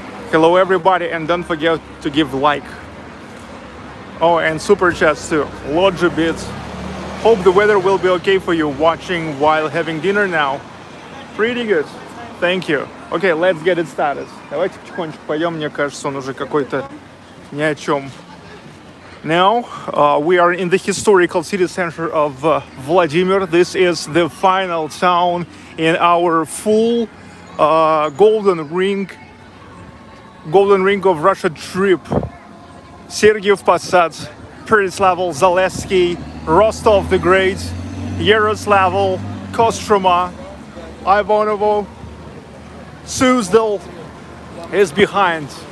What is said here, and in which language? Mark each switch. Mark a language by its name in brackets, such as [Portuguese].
[English] Hello everybody, and don't forget to give like. Oh, and super chats too. Lodge a bit. Hope the weather will be okay for you watching while having dinner now. Pretty good. Thank you. Okay, let's get it started. [Russian] Давайте потихонечку пойдем. Мне кажется, он уже какой-то ни о чем. [English] Now, we are in the historical city center of Vladimir. This is the final town in our full golden ring. Golden Ring of Russia trip. Sergiev Posad, Pereslavl, Zaleski, Rostov the Great, Yaroslavl, Kostroma, Ivanovo, Suzdal is behind.